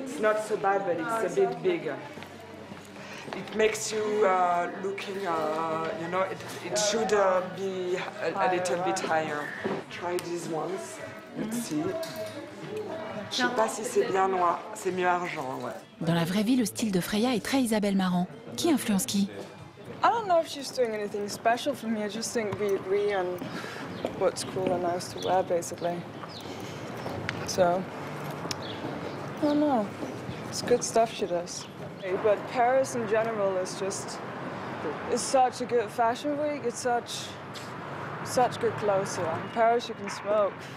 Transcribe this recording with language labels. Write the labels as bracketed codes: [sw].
[en] It's not so bad, but it's a bit bigger. It makes you looking, you know, it should be a little bit higher. Try these ones, let's see. [fr] Je sais pas si c'est bien noir, c'est mieux argent, ouais. Dans la vraie vie, le style de Freya est très Isabelle Marant. Qui influence qui? [en] I don't know if she's doing anything special for me. I just think we agree on what's cool and nice to wear, basically. So, I don't know. It's good stuff she does. But Paris in general is just, it's such a good fashion week, it's such good clothes here. In Paris you can smoke.